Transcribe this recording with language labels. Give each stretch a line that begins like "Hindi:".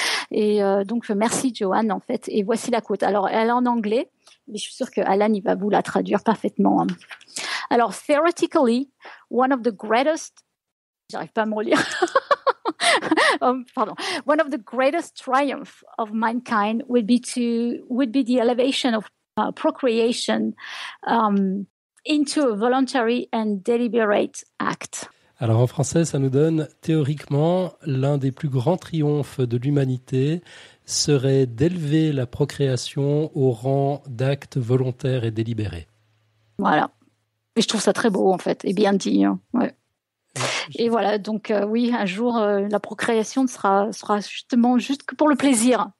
French: Et donc, merci Joanne, en fait. Et voici la quote. Alors, elle est en anglais, mais je suis sûre que Alan, il va vous la traduire parfaitement. Alors,
English: theoretically, one of the greatest...
French: J'arrive pas à me relire. pardon.
English: One of the greatest triumphs of mankind would be the elevation of procreation into a voluntary and deliberate act.
French: Alors, en français, ça nous donne, théoriquement, l'un des plus grands triomphes de l'humanité serait d'élever la procréation au rang d'acte volontaire et délibéré. Voilà. Et je trouve ça très beau, en fait, et bien dit. Hein. Ouais. Et voilà, donc oui, un jour, la procréation sera justement juste que pour le plaisir.